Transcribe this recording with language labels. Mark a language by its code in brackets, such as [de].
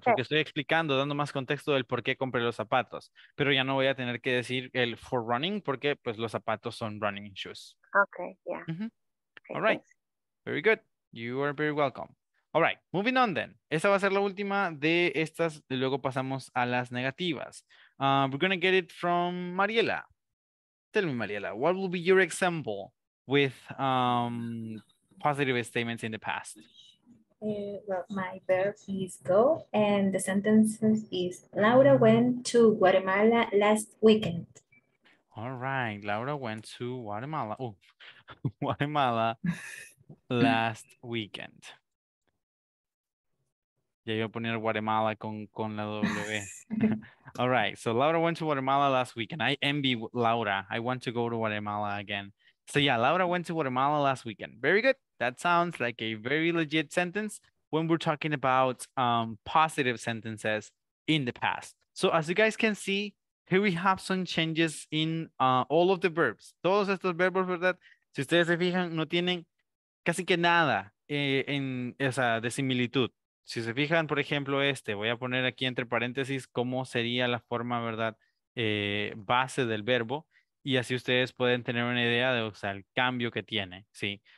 [es] Porque estoy explicando, dando más contexto del por qué compré los zapatos. Pero ya no voy a tener que decir el for running porque, pues, los zapatos son running shoes. [en] Okay, yeah. Okay, all right. Thanks. Very good. You are very welcome. All right, moving on then. [es] Esta va a ser la última de estas. Y luego pasamos a las negativas. [en] We're going to get it from Mariela. Tell me, Mariela, what will be your example with positive statements in the past? Well, my verb is go, and the sentence is Laura went to Guatemala last weekend. All right, Laura went to Guatemala. Oh, Guatemala last weekend. [es] Ya iba a poner Guatemala con la W. [en] All right, so Laura went to Guatemala last weekend. I envy Laura. I want to go to Guatemala again. So yeah, Laura went to Guatemala last weekend. Very good. That sounds like a very legit sentence when we're talking about positive sentences in the past. So as you guys can see, here we have some changes in all of the verbs. [es] Todos estos verbos, ¿verdad? Si ustedes se fijan, no tienen casi que nada en esa de similitud. Si se fijan, por ejemplo, este, voy a poner aquí entre paréntesis cómo sería la forma, ¿verdad?, base del verbo. Y así ustedes pueden tener una idea de, o sea, el cambio que tiene, ¿sí?